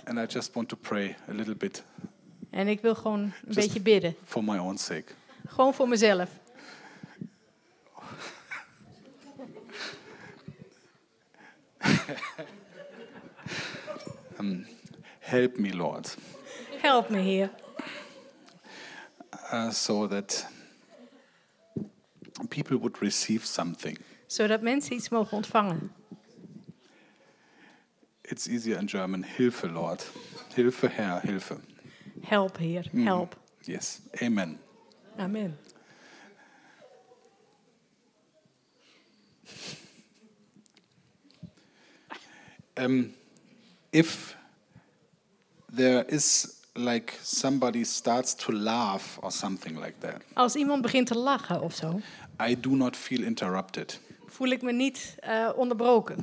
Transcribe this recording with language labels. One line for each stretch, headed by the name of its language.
English: And I just want to pray a little bit.
Dutch: En ik wil gewoon een
English: just
Dutch: beetje bidden.
English: For my own sake.
Dutch: Gewoon voor mezelf.
English: help me, Lord.
Dutch: Help me, Heer.
English: So that people would receive something.
Dutch: Zodat mensen iets mogen ontvangen.
English: It's easier in German.
German: Hilfe,
English: Lord.
German: Hilfe, Herr, Hilfe.
Dutch: Help, Heer. Help.
English: Yes. Amen.
Dutch: Amen.
English: If there is like somebody starts to laugh or something like that.
Dutch: Als iemand begint te lachen of zo.
English: I do not feel interrupted.
Dutch: Voel ik me niet onderbroken?